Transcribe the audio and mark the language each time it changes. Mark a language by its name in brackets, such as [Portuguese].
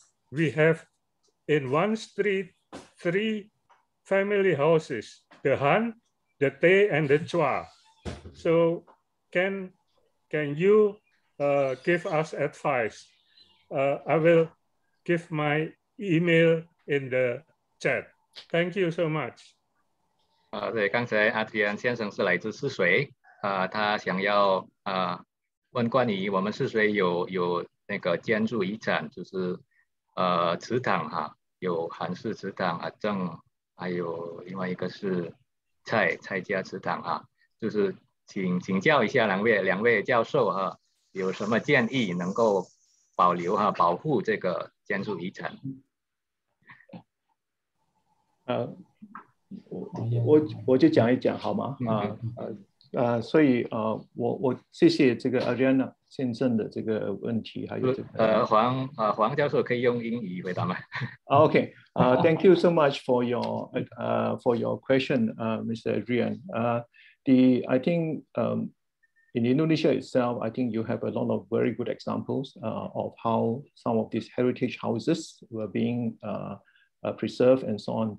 [English] We have in one street three family houses, the Han, the Te, and the Chua. So can you give us advice. I will give my email in the chat. Thank you so much. [Chinese] 对，刚才阿迪安先生是来自四水，他想要问关于我们四水有那个建筑遗产，就是祠堂哈，有韩式祠堂啊，正还有另外一个是蔡家祠堂哈，就是请教一下两位教授哈。有什么建议能够保留和保护这个建筑遗产？我就讲一讲好吗？所以我谢谢这个 Adriana 先生的这个问题，还有这个黄教授可以用英语回答吗 [English] ？OK， thank you so much for your for your question, Mr. Adrian. I think in Indonesia itself, I think you have a lot of very good examples of how some of these heritage houses were being preserved and so on.